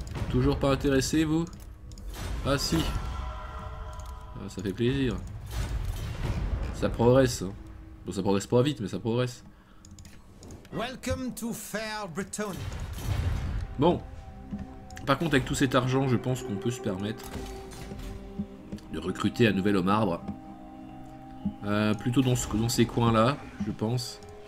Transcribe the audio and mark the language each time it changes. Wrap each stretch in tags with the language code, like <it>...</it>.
<fr>Toujours pas intéressés, vous? Ah si. Ah, ça fait plaisir. Ça progresse. Bon, ça progresse pas vite, mais ça progresse.</fr> <en>Welcome to Fair Bretonnia.</en> <fr>Bon, par contre, avec tout cet argent, je pense qu'on peut se permettre de recruter un nouvel homme arbre. Plutôt dans ces coins-là, je pense.</fr>